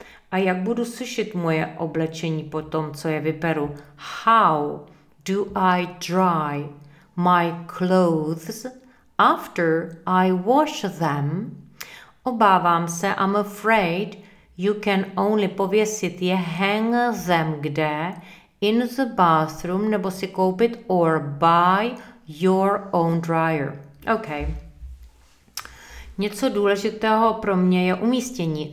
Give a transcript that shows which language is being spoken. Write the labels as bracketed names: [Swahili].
[Czech] A jak budu sušit moje oblečení po tom, co je vyperu? [English] How do I dry my clothes after I wash them? [Czech] Obávám se, [English] I'm afraid you can only [Czech] pověsit je, [English] hang them [Czech] kde? [English] In the bathroom, [Czech] nebo si koupit, [English] or buy your own dryer. OK. [Czech] Něco důležitého pro mě je umístění.